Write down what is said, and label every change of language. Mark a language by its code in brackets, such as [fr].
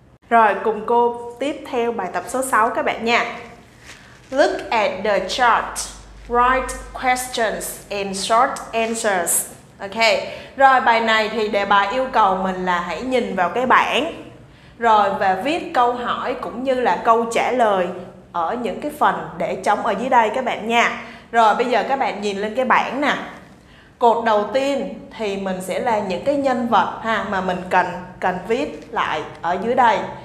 [vi] Rồi, cùng cô tiếp theo bài tập số 6 các bạn nha. [en] Look at the chart. Write questions and short answers. [vi] Ok, rồi bài này thì đề bài yêu cầu mình là hãy nhìn vào cái bảng. Rồi, và viết câu hỏi cũng như là câu trả lời ở những cái phần để trống ở dưới đây các bạn nha. Rồi, bây giờ các bạn nhìn lên cái bảng nè. Cột đầu tiên thì mình sẽ là những cái nhân vật ha mà mình cần viết lại ở dưới đây.